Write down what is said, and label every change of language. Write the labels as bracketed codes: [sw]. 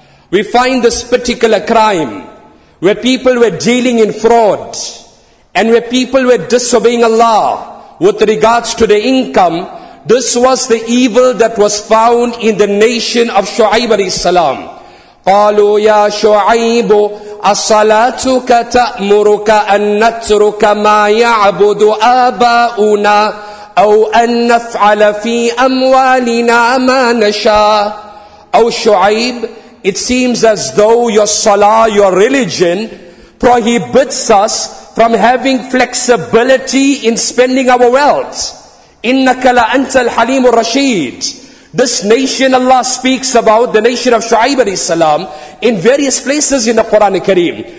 [en] We find this particular crime where people were dealing in fraud and where people were disobeying Allah with regards to their income. This was the evil that was found in the nation of Shu'aib alayhi salam. [ar] قالوا يا شعيب أصلاتك تأمرك أن نترك ما يعبد آباؤنا أو أن نفعل في أموالنا ما نشاء. أو شعيب, [en] it seems as though your salah, your religion, prohibits us from having flexibility in spending our wealth. [ar] إِنَّكَ لَأَنْتَ الْحَلِيمُ الرَّشِيدُ. [en] This nation Allah speaks about, the nation of Shu'aib alayhi salam, in various places in the Quran al-Kareem.